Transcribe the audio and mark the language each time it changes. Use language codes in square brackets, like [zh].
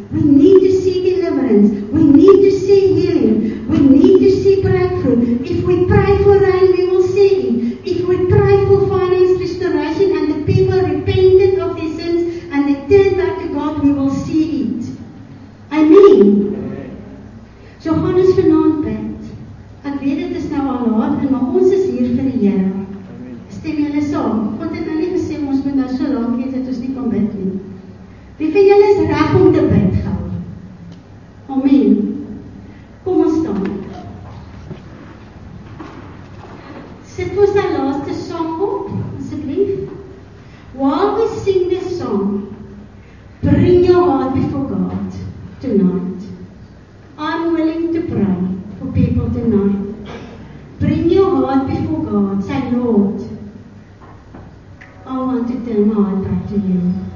[en] We need to see deliverance. We need to see healing. We need to see breakthrough. If we pray for rain, we will see it. If we pray for finance restoration and the people repented of their sins and they turned back to God, we will see it. [af] Amen. So, Hannes vanaand bid. Ek weet dit is nou al laat, maar ons is hier vir die Here. Stem julle saam. God het nou nie gesê ons moet nou so lank wees dat ons nie kan bid nie. Wie van julle is reg om te bid gou? Amen. Kom ons staan. Sit ons die laaste song op, asseblief. [en] While we sing this song, bring your heart before God tonight. I'm willing to pray for people tonight. Bring your heart before God. Say, Lord, I want to turn my heart back to You.